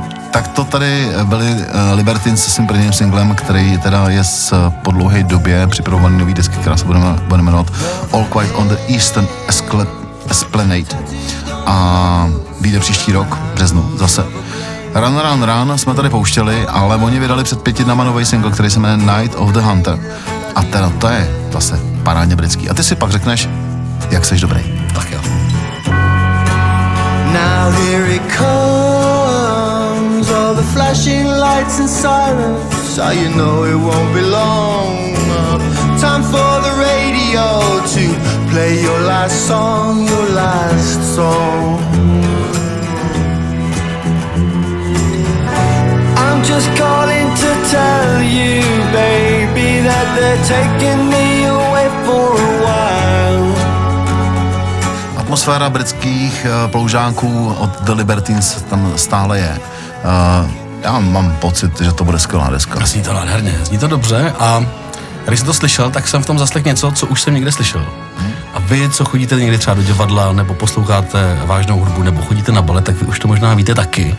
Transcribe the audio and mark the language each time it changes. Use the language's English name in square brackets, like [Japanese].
[Czech] Tak to tady byly Libertines s tím prvním singlem, který teda je z po dlouhé době připravovaný nový desky, která se bude jmenovat All Quiet on the Eastern Esplanade. A vyjde příští rok, březnu, zase. Run, run, run jsme tady pouštěli, ale oni vydali před 5 dnama novej single, který se jmenuje Night of the Hunter. A teda to je zase parádně britský. A ty si pak řekneš, jak seš dobrý. Tak jo. [English] Now here it comes, all the flashing lights and sirens. So you know it won't be long. Time for the radio to play your last song, your last song. I'm just calling to tell you, baby, that they're taking me away for a while. [Czech] Atmosféra britských ploužáků od The Libertines tam stále je. Já mám pocit, že to bude skvělá deska. Zní to nádherně, zní to dobře a když jsem to slyšel, tak jsem v tom zaslech něco, co už jsem někde slyšel. A vy, co chodíte někdy třeba do divadla, nebo posloucháte vážnou hudbu, nebo chodíte na balet, tak vy už to možná víte taky.